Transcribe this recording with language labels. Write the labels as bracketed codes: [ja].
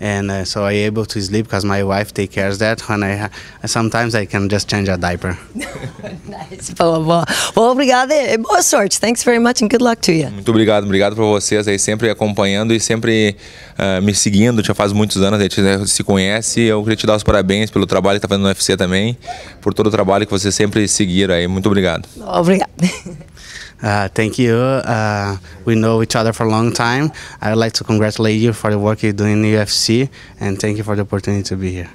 [en] And so I'm able to sleep because my wife takes care of that. When sometimes I can just change a diaper. [pt] Nice, boa, boa. Well, obrigada. Boa sorte. [en] Thanks very much and good luck to you. [pt] Muito obrigado. Obrigado por vocês aí sempre acompanhando e sempre me seguindo. Já faz muitos anos a gente se conhece. Eu queria te dar os parabéns pelo trabalho que está fazendo no UFC também, por todo o trabalho que vocês sempre seguiram aí. Muito obrigado. Obrigada. [en] Thank you. We know each other for a long time. I'd like to congratulate you for the work you're doing in the UFC, and thank you for the opportunity to be here.